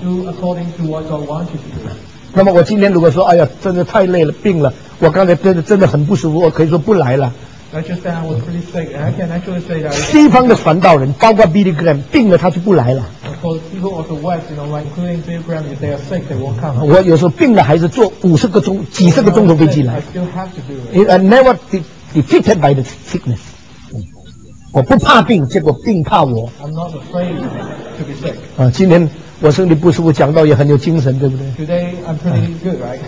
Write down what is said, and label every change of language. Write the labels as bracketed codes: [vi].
[en] do according to what God wants you to do. [zh] 那么我今天如果说哎呀真的太累了病了我刚才真的很不舒服我可以说不来了 [en] sick, that, [zh] 西方的传道人包括 Billy Graham 病了他就不来了 [en] West, you know, like、Billy Graham, if they are sick, they won't come. [zh] 我有时候病了还是坐50个钟几十个钟头飞机来 [en] I never defeated by the sickness [zh] 我不怕病结果病怕我 [en] I'm not afraid to be sick、 [zh] 今天我身体不舒服讲到也很有精神对不对 [en] Today, I'm pretty good, right?